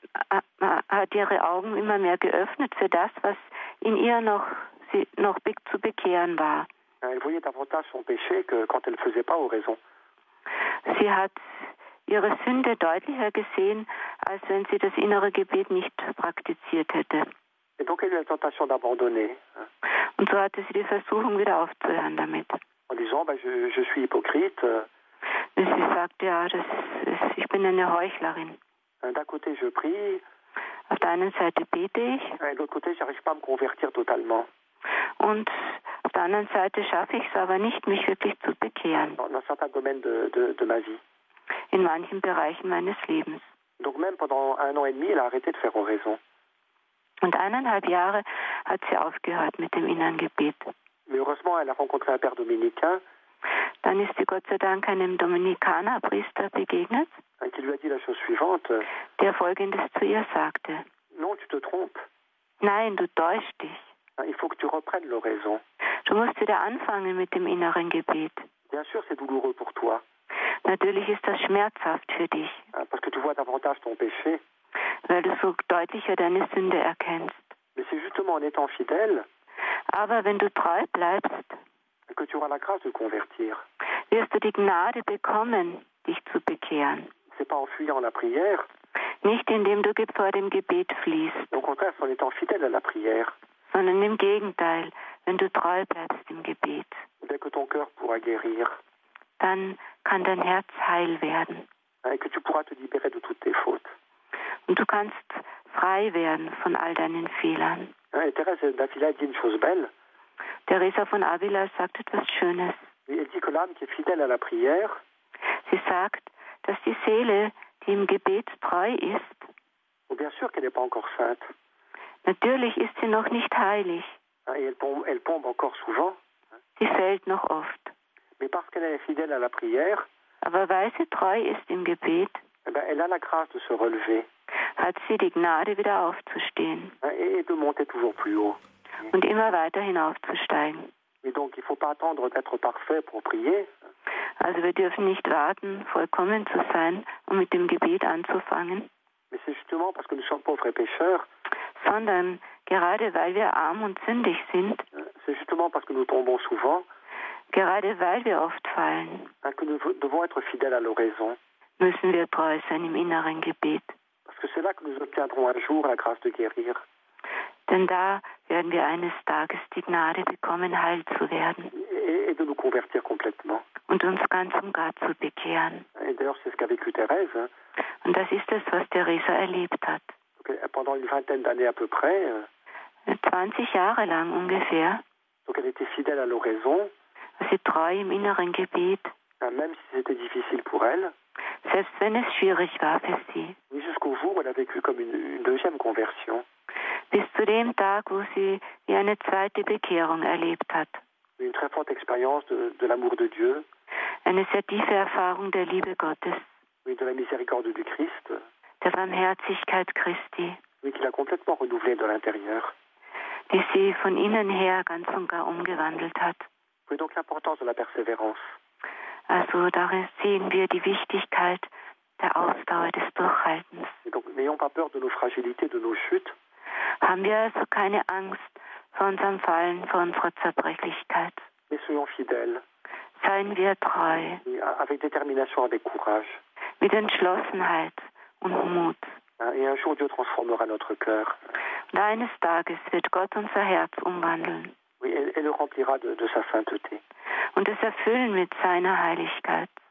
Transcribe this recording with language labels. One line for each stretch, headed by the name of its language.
German: Hat ihre Augen immer mehr geöffnet für das, was in ihr noch zu bekehren war.
French: Elle voyait davantage son péché que quand elle ne faisait pas oraison.
German: Sie hat ihre Sünde deutlicher gesehen, als wenn sie das innere Gebet nicht praktiziert hätte.
French: Et donc elle a eu la tentation d'abandonner.
German: Und so hatte sie die Versuchung, wieder aufzuhören damit.
French: En disant, je suis hypocrite.
German: Et sie sagte, ja, ich bin eine Heuchlerin.
French: D'un côté, je prie.
German: Auf der einen Seite bete ich.
French: Et de l'autre côté, j'arrive pas à me convertir totalement.
German: Und auf der anderen Seite schaffe ich es aber nicht, mich wirklich zu bekehren.
French: Dans un certain domaine de ma vie.
German: In manchen Bereichen meines Lebens.
French: Donc même pendant un an et demi, elle a arrêté de faire oraison.
German: Und eineinhalb Jahre hat sie aufgehört mit dem inneren Gebet.
French: Mais heureusement, elle a rencontré un père dominicain.
German: Dann ist sie Gott sei Dank einem Dominikanerpriester begegnet.
French: Et qui lui a dit la chose suivante.
German: Der folgendes zu ihr sagte.
French: Non, tu te trompes.
German: Nein, du täuschst dich.
French: Il faut que tu reprennes l'oraison.
German: Du musst wieder anfangen mit dem inneren Gebet.
French: Bien sûr, c'est douloureux pour toi.
German: Natürlich ist das schmerzhaft für dich.
French: Parce que tu vois davantage ton péché.
German: Weil du so deutlicher deine Sünde erkennst.
French: Mais c'est justement en étant fidèle.
German: Aber wenn du treu bleibst,
French: que tu auras la grâce de convertir.
German: Wirst du die Gnade bekommen, dich zu bekehren.
French: C'est pas en fuyant la prière.
German: Nicht indem du vor dem Gebet fließt.
French: Au contraire, en étant fidèle à la prière.
German: Sondern im Gegenteil, wenn du treu bleibst im Gebet.
French: Dès que ton cœur pourra guérir.
German: Dann kann dein Herz heil werden.
French: Et que tu pourras te libérer de toutes tes fautes.
German: Und du kannst frei werden von all deinen Fehlern.
French: Et Thérèse d'Avila dit une chose belle.
German: Teresa von Avila sagt etwas Schönes.
French: Elle dit que l'âme qui est fidèle à la prière.
German: Sie sagt, dass die Seele, die im Gebet treu ist.
French: Und bien sûr qu'elle n'est pas encore sainte.
German: Natürlich ist sie noch nicht heilig.
French: Et elle tombe encore souvent.
German: Sie fällt noch oft.
French: Mais parce qu'elle est fidèle à la prière.
German: Aber weil sie treu ist im Gebet.
French: Elle a la grâce de se relever.
German: Hat sie die Gnade, wieder aufzustehen.
French: Et de monter toujours plus haut.
German: Und immer weiter hinaufzusteigen.
French: Et donc, il faut pas attendre d'être parfait pour prier.
German: Also wir dürfen nicht warten, vollkommen zu sein, um mit dem Gebet anzufangen.
French: Mais c'est justement parce que nous sommes pauvres et pécheurs.
German: Sondern gerade weil wir arm und sündig sind.
French: C'est justement parce que nous tombons souvent.
German: Gerade weil wir oft fallen.
French: Que nous devons être fidèles à l'oraison.
German: Müssen wir treu sein im inneren Gebet.
French: Parce que c'est là que nous obtiendrons un jour la grâce de guérir.
German: Denn da werden wir eines Tages die Gnade bekommen, heil zu werden.
French: Et de nous convertir complètement.
German: Und uns ganz und gar zu bekehren.
French: Et d'ailleurs, c'est ce qu'a vécu Thérèse, hein.
German: Und das ist es, was Teresa erlebt hat.
English: Okay.
French: Pendant une vingtaine d'années à peu près.
German: 20 Jahre lang ungefähr.
French: Donc elle était fidèle à l'oraison.
German: Sie ist treu im inneren Gebet.
French: Même si c'était difficile pour elle.
German: Selbst wenn es schwierig war für sie.
French: Mais jusqu'au jour où elle a vécu comme une deuxième conversion.
German: Bis zu dem Tag, wo sie wie eine zweite Bekehrung erlebt hat.
French: Une très forte expérience de l'amour de Dieu.
German: Eine sehr tiefe Erfahrung der Liebe Gottes.
French: Oui, de la miséricorde du Christ.
German: Der Barmherzigkeit Christi.
French: Oui, qui l'a complètement renouvelée de l'intérieur.
German: Die sie von innen her ganz und gar umgewandelt hat.
French: Oui, donc l'importance de la persévérance.
German: Also darin sehen wir die Wichtigkeit der Ausdauer des Durchhaltens.
French: Et donc n'ayons pas peur de nos fragilités, de nos chutes.
German: Haben wir also keine Angst vor unserem Fallen, vor unserer Zerbrechlichkeit.
French: Mais soyons fidèles.
German: Seien wir treu.
French: Avec détermination, avec courage.
German: Mit Entschlossenheit und Mut.
French: Et un jour Dieu transformera notre cœur.
German: Und eines Tages wird Gott unser Herz umwandeln.
French: Oui, et le remplira de sa sainteté.
German: Und es erfüllen mit seiner Heiligkeit.